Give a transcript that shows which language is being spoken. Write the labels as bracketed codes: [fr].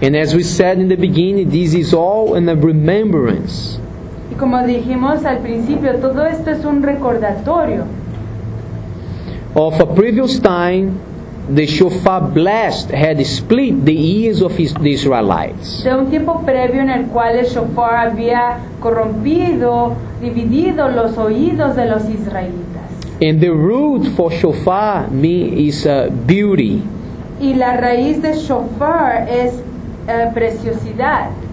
[en] And as we said in the beginning, this is all in a remembrance. [es] Y como dijimos al principio, todo esto es un recordatorio. [en] Of a previous time, the shofar blast had split the ears of the Israelites. [es] De un tiempo previo en el cual el shofar había corrompido, dividido los oídos de los israelitas. [en] And the root for shofar is beauty. [es] Y la raíz de shofar es preciosidad.